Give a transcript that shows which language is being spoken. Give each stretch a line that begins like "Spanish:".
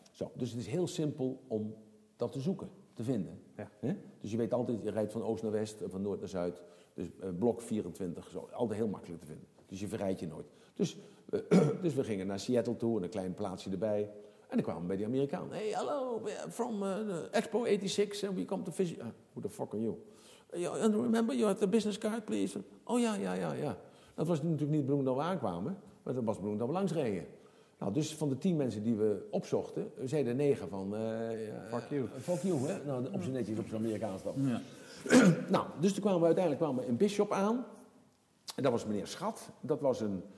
Dutch: Zo, dus het is heel simpel om dat te zoeken, te vinden. Ja. He? Dus je weet altijd, je rijdt van oost naar west, van noord naar zuid. Dus blok 24, zo. Altijd heel makkelijk te vinden. Dus je verrijdt je nooit. Dus we gingen naar Seattle toe, en een klein plaatsje erbij. En dan kwamen we bij die Amerikaan.
English: Hey, hello, from Expo 86, and we come to visit. Who the fuck are you? And remember, you have the business card, please.
Dutch: Oh, ja. Dat was natuurlijk niet bedoeld dat we aankwamen. Maar dat was bedoeld dat we langs reden. Nou, dus van de 10 mensen die we opzochten, zeiden 9 van...
English: fuck you. Fuck you, hè?
Dutch: Nou, op zijn netjes op zo'n Amerikaans dan. Ja. Nou, dus toen kwamen we uiteindelijk in Bishop aan. En dat was meneer Schat. Dat was een...